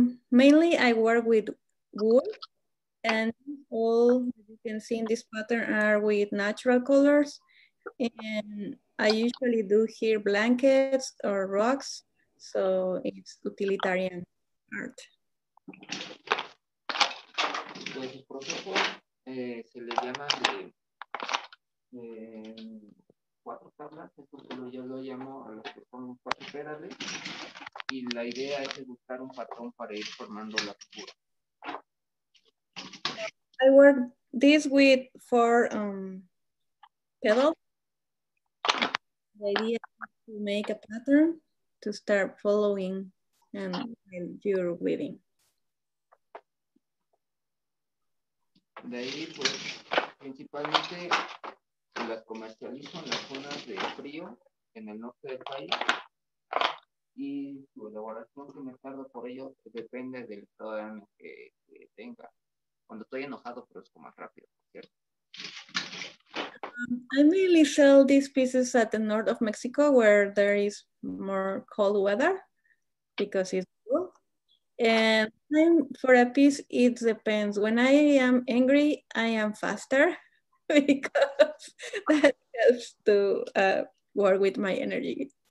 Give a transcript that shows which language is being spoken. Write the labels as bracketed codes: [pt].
[en] Mainly I work with wood, and all you can see in this pattern are with natural colors. And I usually do here blankets or rugs, so it's utilitarian art. [es] Entonces, el proceso se le llama de cuatro tablas, entonces yo lo llamo a los que son cuatro pedales, y la idea es buscar un patrón para ir formando la figura. [en] I work this with four pedals. The idea is to make a pattern to start following and your weaving. [es] De ahí, pues, principalmente las comercializo en las zonas de frío en el norte del país, y su elaboración que me tarda por ello depende del estado de ánimo que tenga. Cuando estoy enojado, pero es como más rápido, ¿cierto? [en] I mainly sell these pieces at the north of Mexico where there is more cold weather because it's cool. And time for a piece, it depends. When I am angry, I am faster because that helps to work with my energy.